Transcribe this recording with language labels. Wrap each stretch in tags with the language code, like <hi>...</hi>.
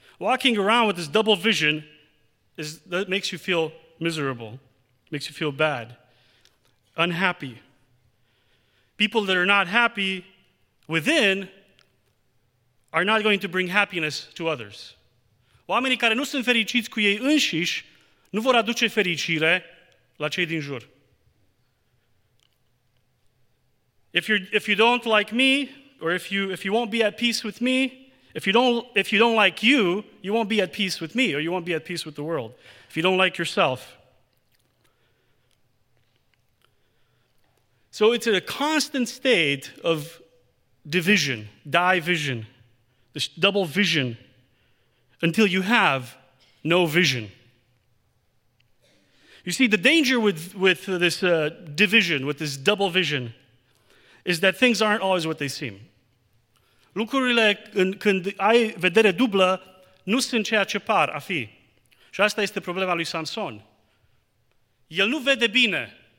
<en>Walking around with this double vision that makes you feel miserable, makes you feel bad, unhappy. People that are not happy within are not going to bring happiness to others.</en> <ro>Oamenii care nu sunt fericiți cu ei înșiși nu vor aduce fericire la cei din jur.</ro> <en>If you don't like me, or if you won't be at peace with me, if you don't like you, you won't be at peace with me, or you won't be at peace with the world. If you don't like yourself. So it's a constant state of division, die vision, this double vision, until you have no vision. You see, the danger with this double vision is that things aren't always what they seem.</en> <ro>Lucrurile, când ai vedere dublă, nu sunt ceea ce par a fi. Și asta este problema lui Samson. El nu vede bine.</ro>